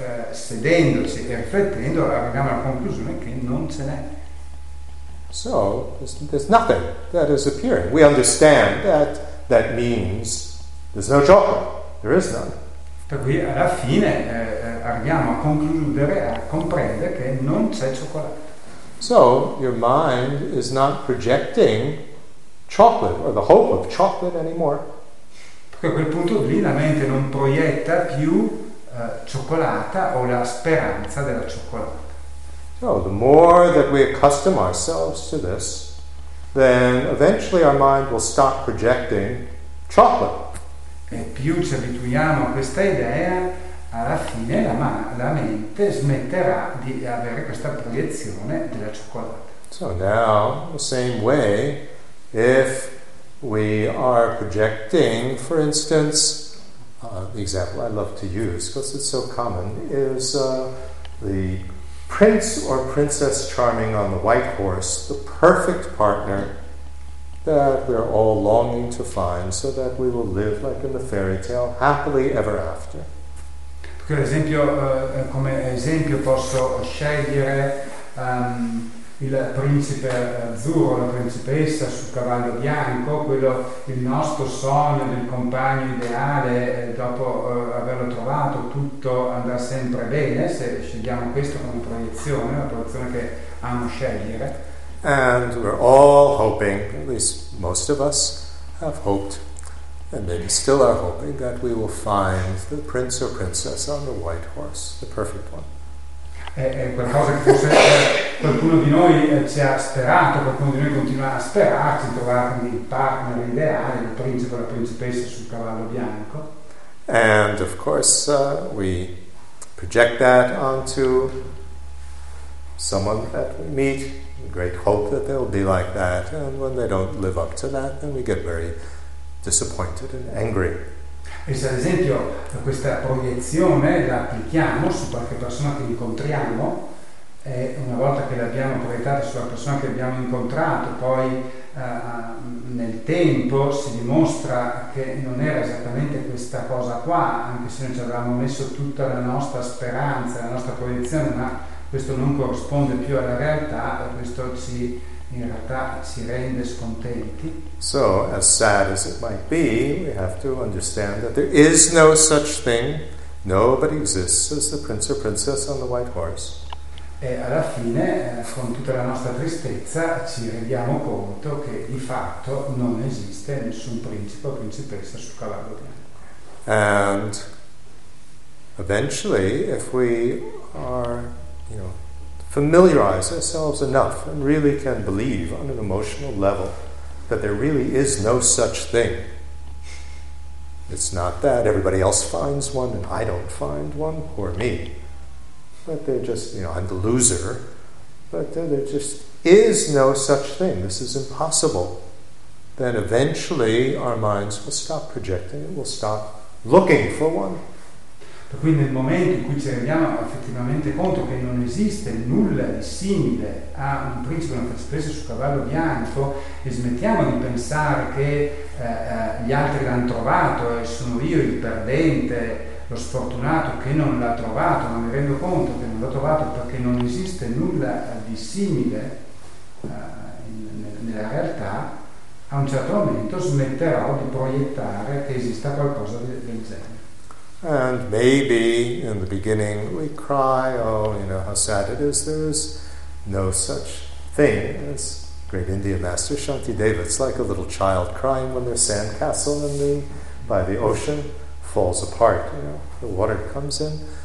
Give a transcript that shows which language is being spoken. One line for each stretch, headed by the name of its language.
Italian: Sedendoci e riflettendo arriviamo alla conclusione che non ce n'è.
English: So there's nothing that is appearing. We understand that that means there's no chocolate. There is none.
Italian: Per cui alla fine arriviamo a concludere, a comprendere che non c'è cioccolato.
English: So your mind is not projecting chocolate or the hope of chocolate anymore.
Italian: Perché a quel punto lì la mente non proietta più cioccolata o la speranza della cioccolata.
English: So the more that we accustom ourselves to this, then eventually our mind will stop projecting chocolate.
Italian: E più ci abituiamo a questa idea, alla fine la mente smetterà di avere questa proiezione della cioccolata.
English: So now, the same way, if we are projecting, for instance, the example I love to use, because it's so common, is the prince or princess charming on the white horse, the perfect partner that we're all longing to find so that we will live like in the fairy tale, happily ever after.
Italian: Perché ad esempio, come esempio posso scegliere il principe azzurro, la principessa sul cavallo bianco, quello il nostro sogno del compagno ideale, dopo averlo trovato tutto andrà sempre bene, se scegliamo questo come proiezione, la proiezione che amo scegliere.
English: And we're all hoping, at least most of us have hoped, and maybe still are hoping, that we will find the prince or princess on the white horse, the perfect one.
Italian: È qualcosa che forse qualcuno di noi ci ha sperato, qualcuno di noi continua a sperarci, trovare il partner ideale, il principe o la principessa sul cavallo bianco.
English: And of course we project that onto someone that we meet, great hope that they'll be like that, and when they don't live up to that, then we get very disappointed and angry.
Italian: E se ad esempio questa proiezione la applichiamo su qualche persona che incontriamo, e una volta che l'abbiamo proiettata sulla persona che abbiamo incontrato, poi nel tempo si dimostra che non era esattamente questa cosa qua, anche se noi ci avevamo messo tutta la nostra speranza, la nostra proiezione, ma questo non corrisponde più alla realtà, e questo ci, in realtà, ci rende scontenti.
English: So, as sad as it might be, we have to understand that there is no such thing, nobody exists as the prince or princess on the white horse.
Italian: E alla fine, con tutta la nostra tristezza, ci rendiamo conto che di fatto non esiste nessun principe o principessa sul cavallo bianco.
English: And eventually, if we are, you know, familiarize ourselves enough and really can believe on an emotional level that there really is no such thing. It's not that everybody else finds one and I don't find one, poor me. But they're just, you know, I'm the loser. But there just is no such thing. This is impossible. Then eventually our minds will stop projecting and we'll stop looking for one.
Italian: Quindi nel momento in cui ci rendiamo effettivamente conto che non esiste nulla di simile a un principe una principessa sul cavallo bianco e smettiamo di pensare che gli altri l'hanno trovato e sono io il perdente, lo sfortunato che non l'ha trovato, ma mi rendo conto che non l'ho trovato perché non esiste nulla di simile nella realtà, a un certo momento smetterò di proiettare che esista qualcosa del genere.
English: And maybe in the beginning we cry, oh, you know, how sad it is, there is no such thing as great Indian master Shantideva. It's like a little child crying when their sandcastle in the, by the ocean falls apart, you know, the water comes in.